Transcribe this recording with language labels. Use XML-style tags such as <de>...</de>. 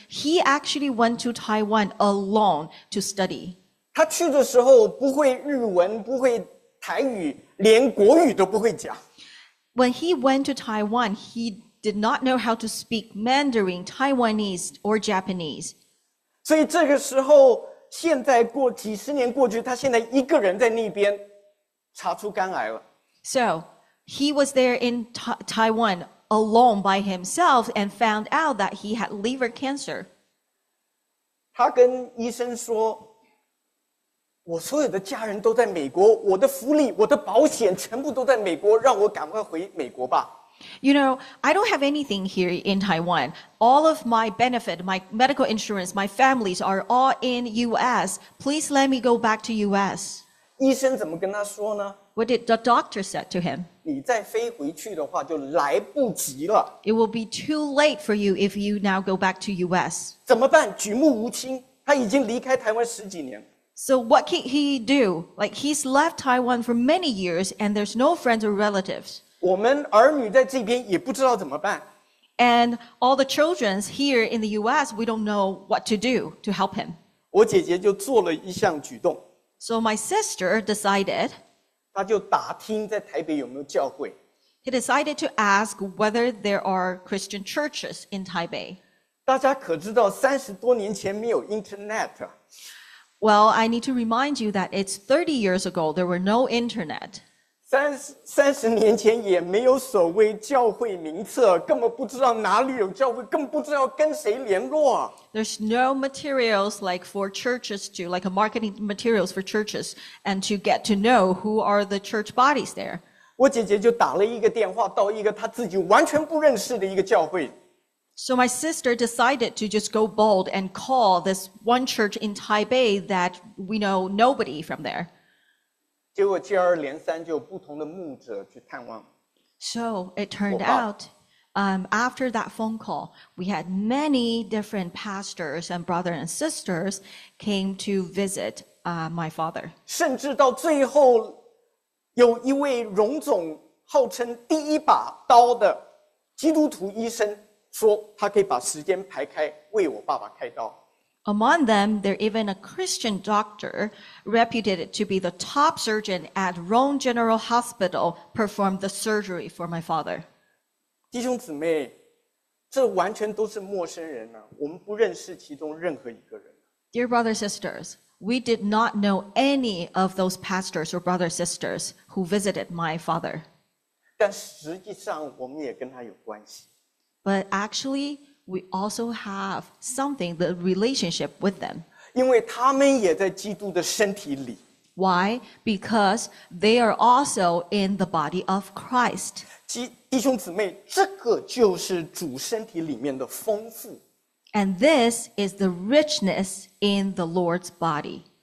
<en>He actually went to Taiwan alone to study.</en> <zh>他去的时候不会日文，不会台语，连国语都不会讲。</zh> <en>When he went to Taiwan, he did not know how to speak Mandarin, Taiwanese, or Japanese.</en> <zh>所以这个时候，现在过几十年过去，他现在一个人在那边查出肝癌了。</zh> <en>So, he was there in Taiwan alone by himself and found out that he had liver cancer.</en> <zh>他跟医生说，我所有的家人都在美国，我的福利，我的保险全部都在美国，让我赶快回美国吧。</zh> <en>You know, I don't have anything here in Taiwan. All of my benefit, my medical insurance, my families are all in U.S. Please let me go back to U.S.</en> <zh>医生怎么跟他说呢？</zh> <en>What did the doctor say to him?</en> <zh>你再飞回去的话就来不及了。</zh> <en>It will be too late for you if you now go back to U.S.</en> <zh>怎么办？举目无亲，他已经离开台湾十几年。</zh> <en>So what can he do? Like he's left Taiwan for many years and there's no friends or relatives.</en> <zh>我们儿女在这边也不知道怎么办。</zh> <en>And all the children here in the U.S., we don't know what to do to help him.</en> <zh>我姐姐就做了一项举动。</zh> <en>So my sister decided.</en> <zh>她就打听在台北有没有教会。</zh> <en>He decided to ask whether there are Christian churches in Taipei.</en> <zh>大家可知道三十多年前没有 internet?</zh> <en>Well, I need to remind you that it's 30 years ago, there were no internet.</en> <zh>三十年前也没有所谓教会名册，根本不知道哪里有教会，更不知道跟谁联络。</zh> <en>There's no materials like for churches to like marketing materials for churches and to get to know who are the church bodies there.</en> <zh>我姐姐就打了一个电话到一个她自己完全不认识的一个教会。</zh> <en>So my sister decided to just go bold and call this one church in Taipei that we know nobody from there.</en> <zh>结果接二连三就不同的牧者去探望。</zh> <en>So it turned out, after that phone call, we had many different pastors and brothers and sisters came to visit my father.</en> <zh>甚至到最后，有一位荣总号称第一把刀的基督徒医生说，他可以把时间排开为我爸爸开刀。</zh> <en>Among them, there even a Christian doctor reputed to be the top surgeon at Rome General Hospital performed the surgery for my father.</en> <zh>弟兄姊妹，这完全都是陌生人啊，我们不认识其中任何一个人。</zh> <en>Dear brothers and sisters, we did not know any of those pastors or brothers and sisters who visited my father.</en> <zh>但实际上我们也跟他有关系。</zh> <en>But actually,We also have something, the relationship with them.</en> <zh>因为他们也在基督的身体里。</zh> <en>Why? Because they are also in the body of Christ.</en> <zh>弟兄姊妹，这个就是主身体里面的丰富。</zh> <en>And this is the richness in the Lord's body.</en>